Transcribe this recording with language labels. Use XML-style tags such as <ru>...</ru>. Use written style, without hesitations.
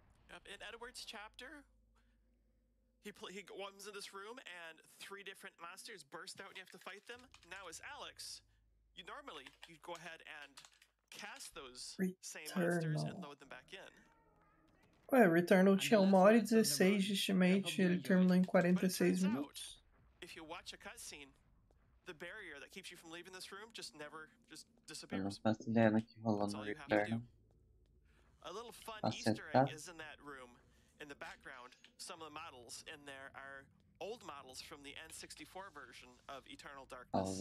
<en>Yep, in Edward's chapter, he comes in this room and 3 different monsters burst out and you have to fight them. Now as Alex, you'd go ahead and cast those same monsters and load them back in.</en> <pt>Ué, Returnal tinha 1:16 de estimate, ele terminou em 46 minutos.</pt> <en>If you watch a cutscene, the barrier that keeps you from leaving this room just disappears. A little fun Easter egg is in that room. In the background, some of the models in there are old models from the N64 version of Eternal Darkness.</en>